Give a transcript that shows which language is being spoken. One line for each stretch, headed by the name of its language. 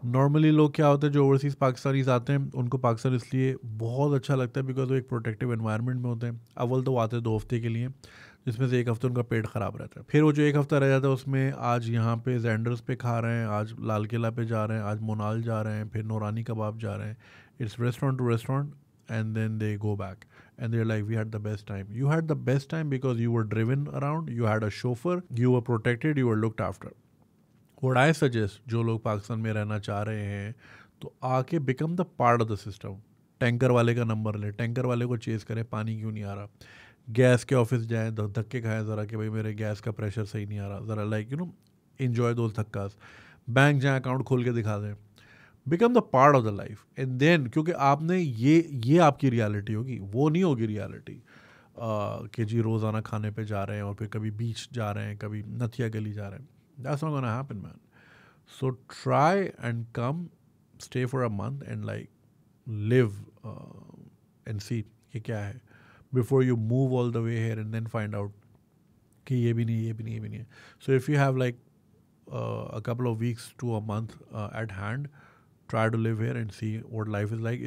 Urdu: Normally لوگ کیا ہوتے ہیں جو اوورسیز پاکستانیز آتے ہیں, ان کو پاکستان اس لیے بہت اچھا لگتا ہے بیکاز وہ ایک پروٹیکٹیو انوائرمنٹ میں ہوتے ہیں. اول تو وہ آتے ہیں 2 hafte کے لیے, جس میں سے 1 hafta ان کا پیٹ خراب رہتا ہے. پھر وہ جو 1 hafta رہ جاتا ہے اس میں آج یہاں پہ زینڈرز پہ کھا رہے ہیں, آج لال قلعہ پہ جا رہے ہیں, آج مونال جا رہے ہیں, پھر نورانی کباب جا رہے ہیں.
English: It's restaurant to restaurant and then they go back and they are like we had the best time. You had the best time because you were driven around, you had a chauffeur, you were protected, you were looked after. What I suggest,
Urdu: جو لوگ پاکستان میں رہنا چاہ رہے ہیں تو آ کے
English: Become the part of the system.
Urdu: Tanker والے کا نمبر لیں, ٹینکر والے کو چیز کریں پانی کیوں نہیں آ رہا, گیس کے آفس جائیں دھکے کھائیں ذرا کہ بھائی میرے گیس کا پریشر صحیح نہیں آ رہا, ذرا
English: like you know enjoy those
Urdu: دھکاس. Bank جائیں اکاؤنٹ کھول کے دکھا دیں,
English: become the part of the life and then,
Urdu: کیونکہ آپ نے یہ آپ کی ریالٹی ہوگی, وہ نہیں ہوگی ریالٹی کہ جی روزانہ کھانے پہ جا رہے ہیں اور پھر کبھی بیچ جا رہے ہیں, کبھی نتھیا گلی جا رہے ہیں.
English: That's not gonna happen, man. So try and come, stay for a month and like live and see
Urdu: ki kya hai
English: before you move all the way here and then find out
Urdu: ki ye bhi nahi,
English: ye bhi nahi, ye bhi nahi. So if you have like a couple of weeks to a month at hand, try to live here and see what life is like.